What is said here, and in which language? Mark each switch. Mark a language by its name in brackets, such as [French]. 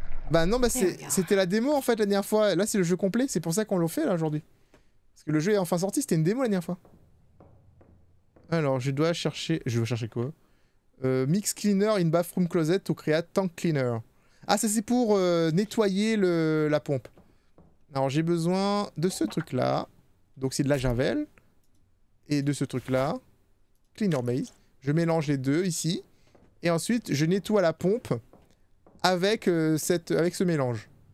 [French] Bah non, bah c'était la démo en fait la dernière fois. Là c'est le jeu complet, c'est pour ça qu'on l'a fait là aujourd'hui. Parce que le jeu est enfin sorti, c'était une démo la dernière fois. Alors, je dois chercher... Je vais chercher quoi ? [English] Mix cleaner in bathroom closet to create tank cleaner. [French] Ah, ça c'est pour nettoyer la pompe. Alors, j'ai besoin de ce truc-là. Donc, c'est de la javel. Et de ce truc-là. [English] Cleaner base. [French] Je mélange les deux ici. Et ensuite, je nettoie la pompe avec, avec ce mélange.